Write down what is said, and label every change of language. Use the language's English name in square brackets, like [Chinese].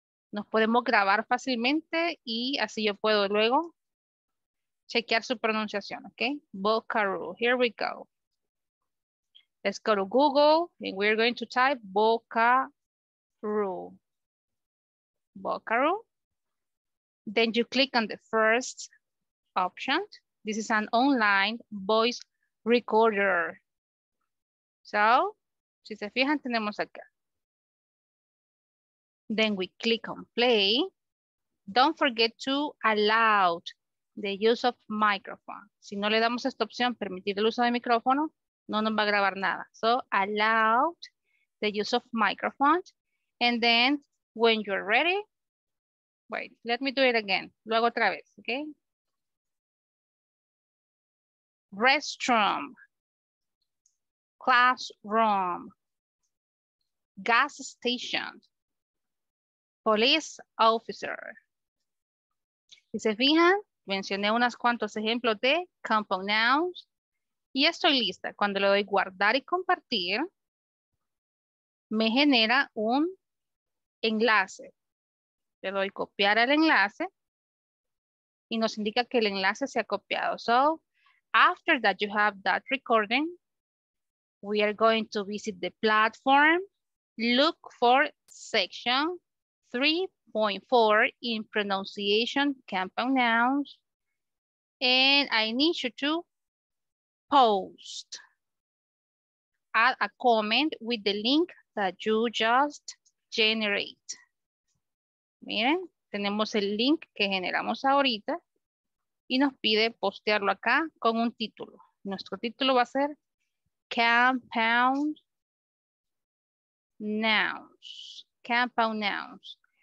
[Spanish] Nos podemos grabar fácilmente y así yo puedo luego chequear su pronunciación, okay? [English] Bocaro, here we go. Let's go to Google and we're going to type Bocaro. Bocaro. Then you click on the first option. This is an online voice recorder. [Spanish] So, si se fijan, tenemos acá. [English] Then we click on play. Don't forget to allow the use of microphone. [Spanish] Si no le damos esta opción, permitir el uso de micrófono, no nos va a grabar nada. [English] So allow the use of microphone. And then when you're ready, wait, let me do it again. [Spanish] Luego otra vez, okay? [English] Restroom, classroom, gas station, police officer. [Spanish] Si se fijan, mencioné unos cuantos ejemplos de compound nouns y estoy lista. Cuando le doy guardar y compartir, me genera un enlace. Le doy copiar el enlace y nos indica que el enlace se ha copiado. [English] So, after that you have that recording, we are going to visit the platform, look for section 3.4 in pronunciation compound nouns, and I need you to post, add a comment with the link that you just generate. [Spanish] Miren, tenemos el link que generamos ahorita y nos pide postearlo acá con un título. Nuestro título va a ser compound nouns, compound nouns.